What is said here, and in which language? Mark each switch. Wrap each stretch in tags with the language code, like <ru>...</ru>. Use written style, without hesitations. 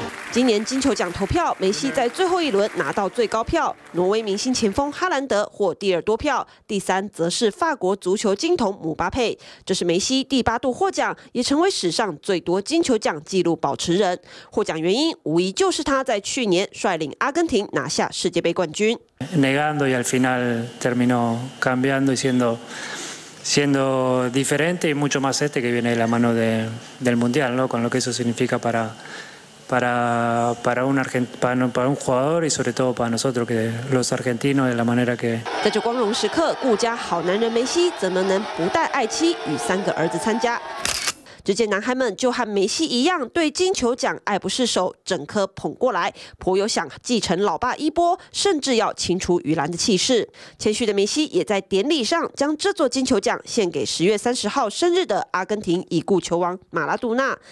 <zh>今年金球奖投票，梅西在最后一轮拿到最高票，挪威明星前锋哈兰德获第二多票，第三则是法国足球金童姆巴佩。这是梅西第八度获奖，也成为史上最多金球奖纪录保持人。获奖原因无疑就是他在去年率领阿根廷拿下世界杯冠军。</zh> <es>Negando y al final terminó cambiando y siendo diferente y mucho más este que viene de la mano del mundial, ¿no? Con lo que eso significa para un jugador y sobre todo para nosotros que los argentinos de la manera que</es> <zh>在这光荣时刻，顾家好男人梅西怎么能不带爱妻与三个儿子参加？只见男孩们就和梅西一样，对金球奖爱不释手，整颗捧过来，颇有想继承老爸衣钵，甚至要青出于蓝的气势。谦虚的梅西也在典礼上将这座金球奖献给10月30号生日的阿根廷已故球王马拉杜纳。</zh>